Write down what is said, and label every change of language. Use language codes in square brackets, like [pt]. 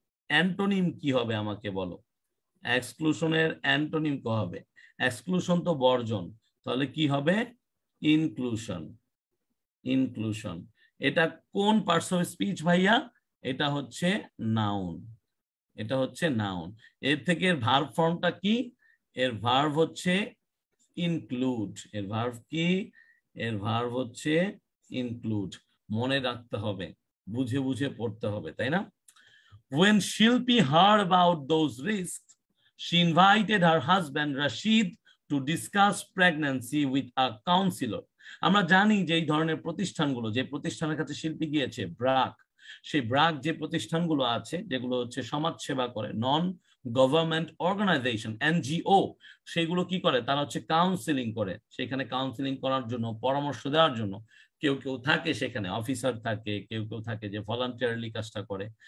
[bn] Antonym কি হবে আমাকে বলো, এক্সক্লুশনের অ্যান্টোনিম কি হবে, এক্সক্লুশন তো বর্জন, তাহলে কি হবে ইনক্লুশন, ইনক্লুশন এটা কোন পার্টস অফ স্পিচ ভাইয়া, এটা হচ্ছে নাউন, এটা হচ্ছে নাউন, এর থেকে এর ভার্ব ফর্মটা কি, এর ভার্ব হচ্ছে ইনক্লুড, এর ভার্ব কি, এর ভার্ব হচ্ছে ইনক্লুড, মনে রাখতে হবে, বুঝে বুঝে পড়তে হবে, তাই না। [en] When Shilpi heard about those risks, she invited her husband Rashid to discuss pregnancy with a counselor. [bn] আমরা জানি যে এই ধরনের প্রতিষ্ঠানগুলো, যে প্রতিষ্ঠানের কাছে শিল্পী গিয়েছে, ব্রাক, সেই ব্রাক যে প্রতিষ্ঠানগুলো আছে যেগুলো হচ্ছে সমাজ সেবা করে, নন গভর্নমেন্ট অর্গানাইজেশন এনজিও, সেগুলো কি করে, তারা হচ্ছে কাউন্সিলিং করে, সেখানে কাউন্সিলিং করার জন্য, পরামর্শ দেওয়ার জন্য কেউ কেউ থাকে সেখানে, অফিসার থাকে, কেউ কেউ থাকে যে ভলান্টিয়ারলি কাজটা করে।